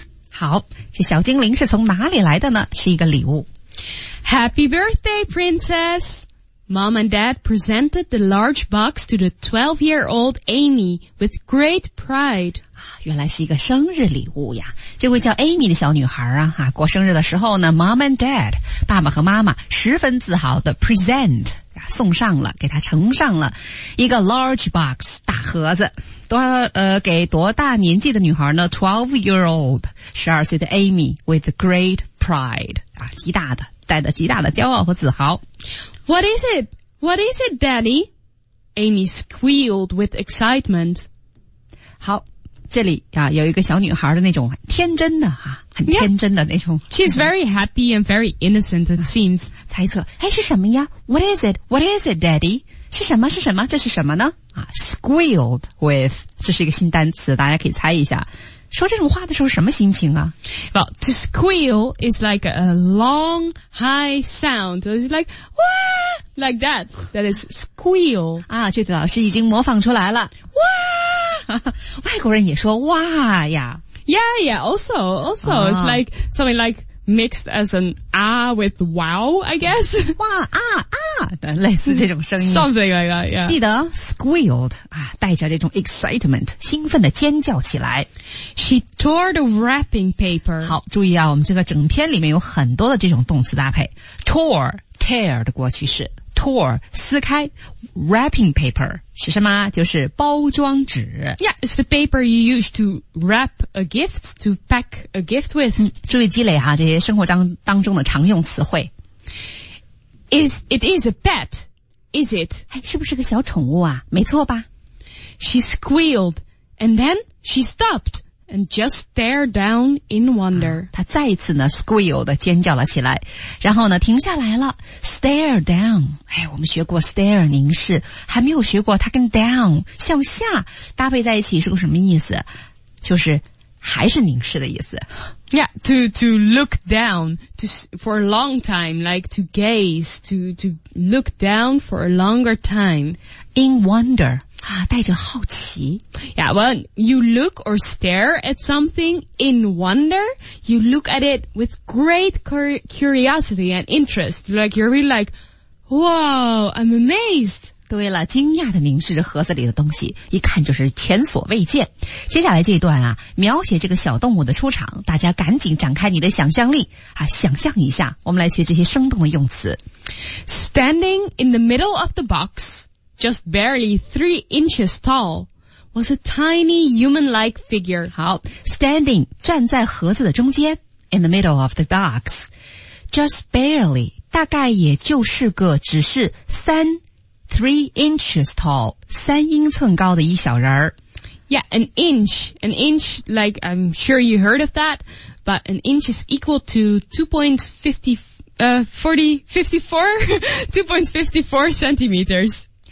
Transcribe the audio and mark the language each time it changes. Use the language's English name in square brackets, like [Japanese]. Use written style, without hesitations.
[Chinese] 好，这小精灵是从哪里来的呢？是一个礼物。 [English] Happy birthday, princess! Mom and Dad presented the large box to the 12-year-old Amy with great pride. [Chinese] 原来是一个生日礼物呀。这位叫 Amy 的小女孩啊，过生日的时候呢 , [English] Mom and Dad, [Chinese] 爸爸和妈妈十分自豪地 present, 送上了，给她呈上了一个 large box, 大盒子。给多大年纪的女孩呢 ?12-year-old, 12岁的 Amy, [English] with great pride, [Chinese] 极大的。带着极大的骄傲和自豪。 [English] What is it? What is it, Daddy? Amy squealed with excitement. [Chinese] 好，这里啊有一个小女孩的那种天真的啊，很天真的那种。 [English] Yeah. She's very happy and very innocent, it seems. [Chinese] 猜测，哎，是什么呀 ？ [English] What is it? What is it, Daddy? [Chinese] 是什么？是什么？这是什么呢？啊 ，squealed with， 这是一个新单词，大家可以猜一下。说这种话的时候什么心情啊 [English] ？Well, to squeal is like a long, high sound. It's like wah, like that. That is squeal. [Chinese] 啊，这位老师已经模仿出来了。 wah, 外国人也说哇呀。 [English] Yeah, yeah. Also,、oh. it's like something like mixed as an ah with wow, I guess. [Chinese] 哇啊啊的类似这种声音。 [English] Something like that. Yeah. [Chinese] 记得 squealed 啊，带着这种 excitement, 兴奋的尖叫起来。 [English] She tore the wrapping paper. [Chinese] 好，注意啊，我们这个整篇里面有很多的这种动词搭配。 Tore, tear 的过去式。 Tore, 撕开。 Wrapping paper, 是什么？就是包装纸。 [English] Yeah, it's the paper you use to wrap a gift, to pack a gift with.、 [Chinese] 嗯、注意积累啊，这些生活当中的常用词汇。 [English] It is a pet, is it? [Chinese] 是不是个小宠物啊？没错吧。 [English] She squealed, and then she stopped. And just stare down in wonder.、 [Chinese] 啊、他再一次呢 squeal 的尖叫了起来，然后呢停下来了 ,stare down. 哎，我们学过 stare 凝视，还没有学过它跟 down 向下搭配在一起是个什么意思，就是还是凝视的意思。 [English] Yeah, to look down to, for a long time, like to gaze, to look down for a longer time. [Chinese] In wonder. 啊，带着好奇。 [English] Yeah, well, you look or stare at something in wonder, you look at it with great curiosity and interest. Like, you're really like, wow, I'm amazed. [Chinese] 对了，惊讶地凝视着盒子里的东西，一看就是前所未见。接下来这一段啊，描写这个小动物的出场，大家赶紧展开你的想象力啊，想象一下，我们来学这些生动的用词。 [English] Standing in the middle of the box,Just barely 3 inches tall, was a tiny human-like figure. [Chinese] 好, standing, 站在盒子的中间, [English] in the middle of the box. [Chinese] Just barely, 大概也就是个只是三, 3 inches tall, 三英寸高的一小人儿。 [English] Yeah, an inch, like I'm sure you heard of that, but an inch is equal to 2.54 centimeters.